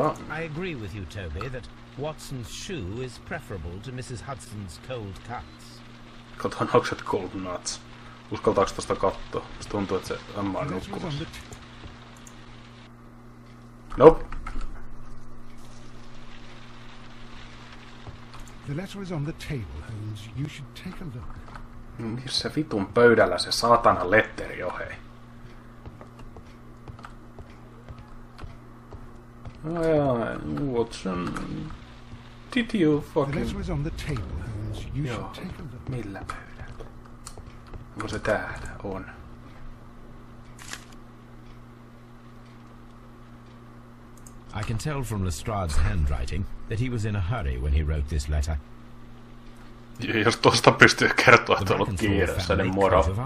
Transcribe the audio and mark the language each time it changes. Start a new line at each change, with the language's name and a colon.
English: I agree with you, Toby, that Watson's shoe is preferable to Mrs. Hudson's cold cuts.
Finnish: Katsotaan, onko se
English: cold nuts.
Finnish: Uskaltaako tästä katsoa? Musta tuntuu, että se on maa nukkumassa.
English: Nope. The letter is on the table, Holmes. You should take a look.
Finnish: Missä vitun pöydällä se saatana letteri on, hei?
English: Oh yeah, Watson. Did you fucking... The letter is on the table, Holmes. You
Finnish: joo.
English: Should take a look.
Finnish: Millä pöydällä? Onko se täällä? On.
English: I can tell from Lestrade's handwriting that he was in a hurry when he wrote this letter.
Finnish: Ja jos tosta pystyy kertoa, että on ollut kiireessä, niin moro.